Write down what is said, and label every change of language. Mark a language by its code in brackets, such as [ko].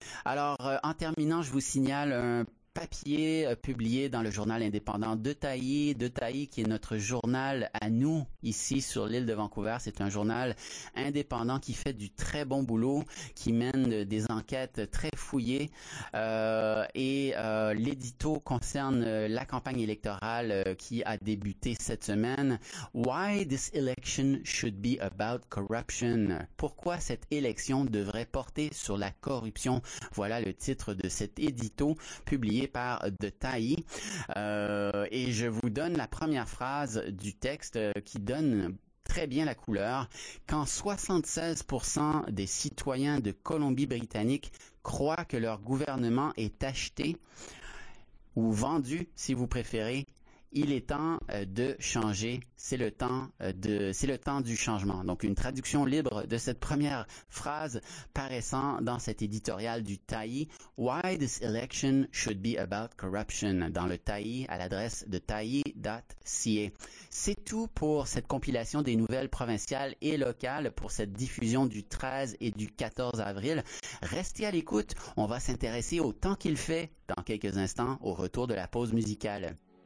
[fr] Alors, en terminant, je vous signale un papier publié dans le journal indépendant De Taï, qui est notre journal à nous ici sur l'île de Vancouver. C'est un journal indépendant qui fait du très bon boulot, qui mène des enquêtes très fouillées et l'édito concerne la campagne électorale qui a débuté cette semaine. [en] Why this election should be about corruption? [fr] Pourquoi cette élection devrait porter sur la corruption? Voilà le titre de cet édito publié par De Taï. Et je vous donne la première phrase du texte qui donne très bien la couleur. Quand 76% des citoyens de Colombie-Britannique croient que leur gouvernement est acheté ou vendu, si vous préférez, il est temps de changer. C'est le temps du changement. Donc, une traduction libre de cette première phrase paraissant dans cet éditorial du Taï. [en] Why this election should be about corruption? [fr] Dans le Taï, à l'adresse de taï.ca. C'est tout pour cette compilation des nouvelles provinciales et locales pour cette diffusion du 13 et du 14 avril. Restez à l'écoute. On va s'intéresser au temps qu'il fait dans quelques instants au retour de la pause musicale.